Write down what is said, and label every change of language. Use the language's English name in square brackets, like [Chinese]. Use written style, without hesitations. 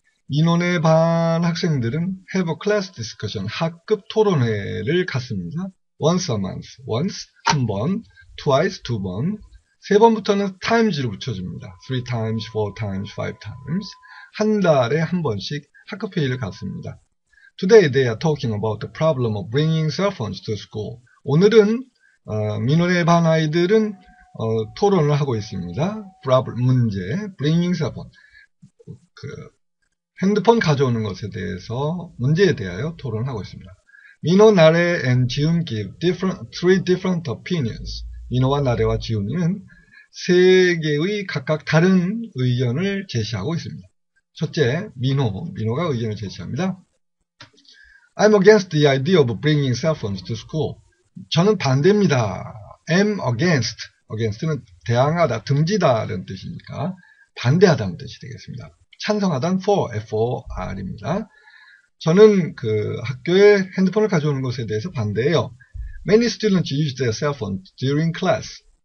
[Korean] 민호의 반 학생들은 [English] have a class discussion, [Korean] 학급 토론회를 갖습니다. [English] Once a month, once [Korean] 한 번, twice 두 번, 세 번부터는 times로 붙여줍니다. [English] Three times, four times, five times. [Korean] 한 달에 한 번씩 학급 회의를 갖습니다. [English] Today they are talking about the problem of bringing cell phones to school. [Korean] 오늘은 민호의 반 아이들은 토론을 하고 있습니다. [English] Problem, 문제, bringing cell phone. [Korean] 핸드폰 가져오는 것에 대해서 문제에 대하여 토론하고 있습니다. [English] 민호, 나래 and 지훈 give different, three different opinions. [Korean] 민호와 나래와 지훈이는 세 개의 각각 다른 의견을 제시하고 있습니다. 첫째, 민호가 의견을 제시합니다. [English] I'm against the idea of bringing cell phones to school. [Korean] 저는 반대입니다. am against는 대항하다, 등지다라는 뜻이니까 반대하다는 뜻이 되겠습니다. 찬성하단 for, F-O-R입니다. 저는 학교에 핸드폰을 가져오는 것에 대해서 반대해요. [English] Many students use their cell phone during class.